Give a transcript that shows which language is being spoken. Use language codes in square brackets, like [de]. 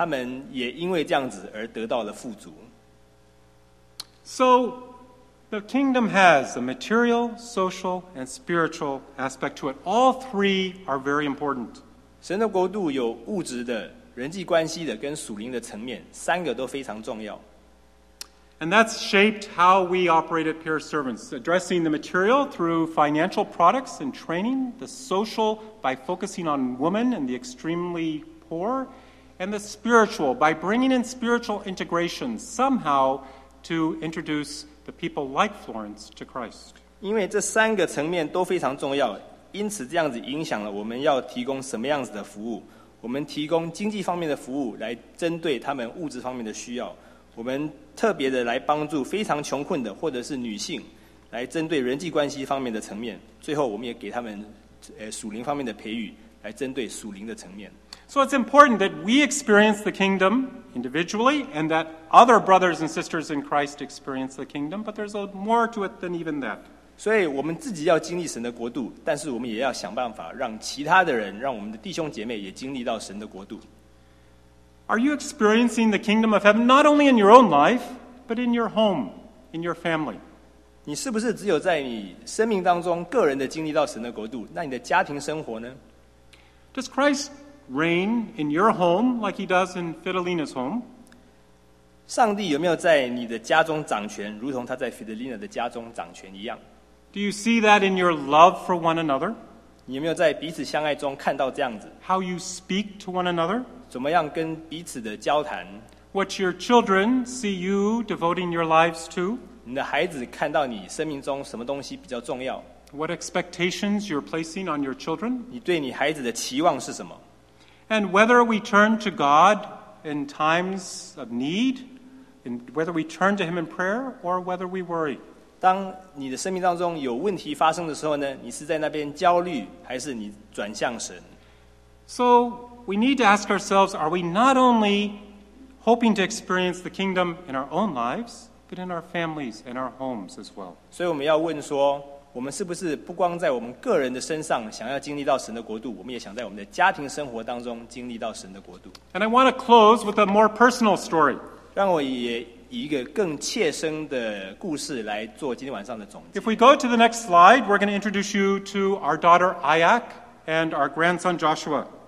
[zh] 当我们平等仆人的义工大概有150多个，跟我们世界各地的伙伴同行的时候，他们也因为这样子而得到了富足。 [en] So, the kingdom has a material, social, and spiritual aspect to it. All three are very important. [zh] 神的国度有物质的、人际关系的跟属灵的层面，三个都非常重要。 [en] And that's shaped how we operate at Peer Servants, addressing the material through financial products and training, the social by focusing on women and the extremely poor, and the spiritual by bringing in spiritual integration somehow to introduce the people like Florence to Christ. [zh] 因为这三个层面都非常重要，因此这样子影响了我们要提供什么样子的服务。我们提供经济方面的服务来针对他们物质方面的需要，我们特别的来帮助非常穷困的或者是女性，来针对人际关系方面的层面，最后我们也给他们属灵方面的培育。 [en] So it's important that we experience the kingdom individually and that other brothers and sisters in Christ experience the kingdom, but there's a more to it than even that. [zh] 所以我们自己要经历神的国度, 但是我们也要想办法 让其他的人, 让我们的弟兄姐妹也经历到神的国度。 [en] Are you experiencing the kingdom of heaven not only in your own life, but in your home, in your family? [zh] 你是不是只有在你生命当中 个人的经历到神的国度, 那你的家庭生活呢? [en] Does Christ reign in your home like he does in Fidelina's home? [zh] 上帝有没有在你的家中掌权, 如同他在Fidelina的家中掌权一样? [en] Do you see that in your love for one another? [zh] 你有没有在彼此相爱中看到这样子? [en] How you speak to one another? [zh] 怎么样跟彼此的交谈? [en] What your children see you devoting your lives to? [zh] 你的孩子看到你生命中什么东西比较重要? [en] What expectations you're placing on your children? [zh] 你对你孩子的期望是什么? [en] And whether we turn to God in times of need, and whether we turn to Him in prayer, or whether we worry. [zh] 当你的生命当中有问题发生的时候呢, 你是在那边焦虑, 还是你转向神? [en] So we need to ask ourselves, are we not only hoping to experience the kingdom in our own lives, but in our families and our homes as well? [zh] 所以我们要问说, 我们是不是不光在我们个人的身上想要经历到神的国度, 我们也想在我们的家庭生活当中经历到神的国度? [en] And I want to close with a more personal story. [zh] 让我也 以一个更切身的故事来做今天晚上的总结。 [en] If we go to the next slide, we're going to introduce you to our daughter Ayak and our grandson Joshua.